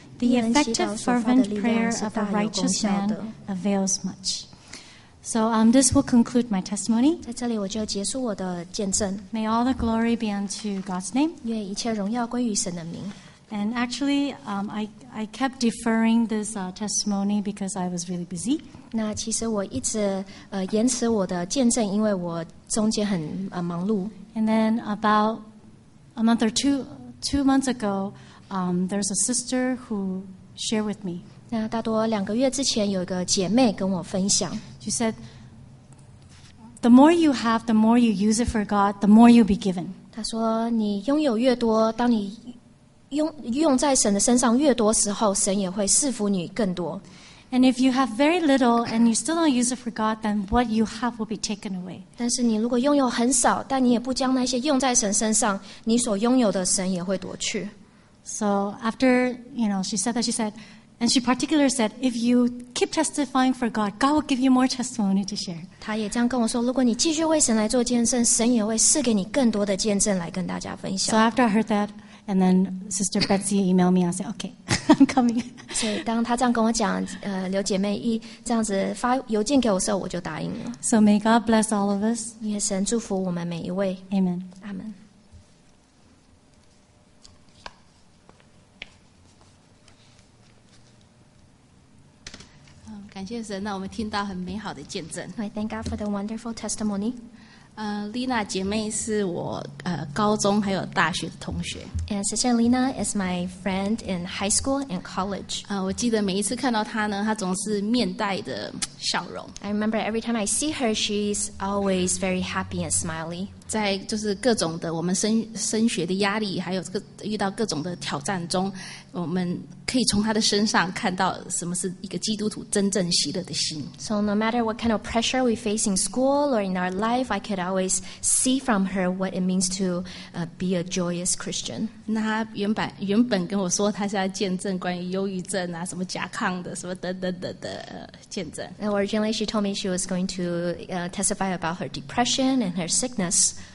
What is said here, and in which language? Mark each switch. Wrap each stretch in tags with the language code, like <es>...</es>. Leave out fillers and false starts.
<en>The effective, fervent prayer of a righteous man avails much. So, this will conclude my testimony. May all the glory be unto God's name. And actually, I kept deferring this testimony because I was really busy.</en> <zh>那其实我一直延迟我的见证，因为我中间很忙碌。</zh> <en>And then about a month or two months ago, there's a sister who shared with me.</en> <zh>那大多两个月之前，有一个姐妹跟我分享。</zh> <en>She said, "The more you have, the more you use it for God, the more you'll be given."</en> <zh>她说，你拥有越多，当你用在神的身上越多时候，神也会赐福你更多。</zh> <en>And if you have very little and you still don't use it for God, then what you have will be taken away.</en> <zh>但是你如果拥有很少，但你也不将那些用在神身上，你所拥有的神也会夺去。</zh> <en>So after, you know, she said that, she said, and she particularly said, if you keep testifying for God, God will give you more testimony to share.</en> <zh>她也这样跟我说，如果你继续为神来做见证，神也会赐给你更多的见证来跟大家分享。</zh> <en>So after I heard that,And then Sister Betsy emailed me. I said, "Okay, I'm coming."</en> <zh>So, 当她这样跟我讲，刘姐妹一这样子发邮件给我的时候，我就答应了。</zh> <en>So may God bless all of us.</en> <zh>愿神祝福我们每一位。</zh> <en>Amen. Amen.</en> <zh>Oh, 感谢神，让我们听到很美好的见证。</zh> <en>I thank God for the wonderful testimony.</en> <zh>Lina 姐妹是我高中还有大学的同学。</zh> <en>And Sister Lina is my friend in high school and college.</en> <zh>我记得每一次看到她呢，她总是面带的笑容。</zh> <en>I remember every time I see her, she's always very happy and smiley.</en> <zh>在就是各种的我们升学的压力，还有遇到各种的挑战中，我们可以从她的身上看到什么是一个基督徒真正喜乐的心。</zh> <en>So no matter what kind of pressure we face in school or in our life, I could always see from her what it means to be a joyous Christian.</en> <zh>那她原本跟我说她是要见证关于忧郁症啊，什么甲亢的，什么的见证。</zh> <en>Now originally she told me she was going to testify about her depression and her sickness.</en>